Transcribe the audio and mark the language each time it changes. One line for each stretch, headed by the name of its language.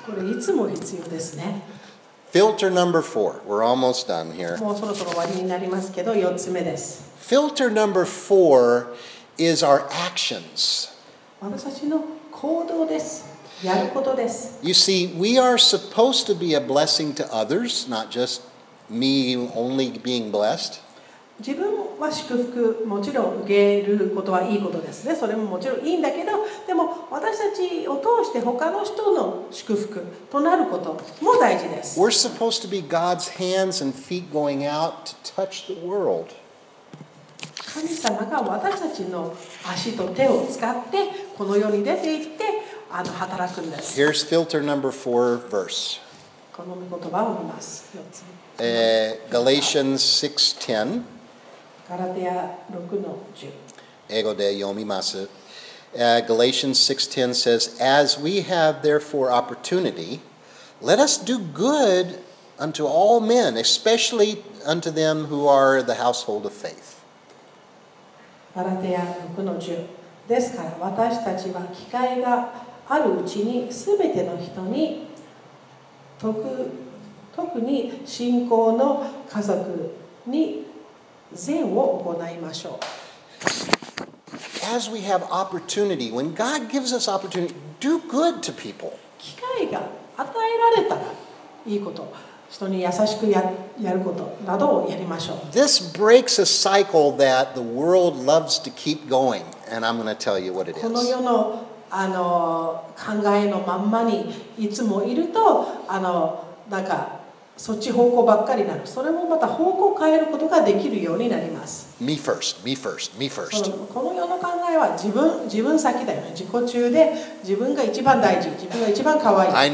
Japanese: これいつも必要ですね。
English: Filter number four. We're almost done here.
Japanese: もうそろそろ終わりになりますけど、四つ目です。
English: Filter number four is our actions.
Japanese: 私たちの行動です。やることです。
English: You see, we are supposed to be a blessing to others, not just me only being blessed.
Japanese: 自分は祝福もちろん受けることはいいことですね。それももちろんいいんだけど、でも私たちを通して他の人の祝福となることも大事です。
English: We're supposed to be God's hands and feet going out to touch the world.
Japanese: 神様が私たちの足と手を使ってこの世に出て行って働くんです。
English: Here's filter number four verse.
Japanese: この御言葉を見ます。
English: Galatians 6:10.
Japanese: ガラテア6の10。英語で読みます。
English: Galatians 6:10 says, As we have therefore opportunity, let us do good unto all men, especially unto them who are the household of faith.
Japanese: ガラテヤ6の10ですから私たちは機会があるうちに全ての人に 特に信仰の家族に善を行いましょう。
English: As we have opportunity, when God gives us opportunity, do good to people.
Japanese: 機会が与えられたらいいこと、人に優しくやることなどをやりましょう。
English: This breaks a cycle that the world loves to keep going, and I'm going to tell you what it is.
Japanese: この世の考えのまんまにいつもいるとなんかそっち方向ばっかりになる。それもまた方向を変えることができるようになります。
English: Me first, me first, me first.
Japanese: この世の考えは自分先だよね。自己中で自分が一番大事、自分が一番可愛い。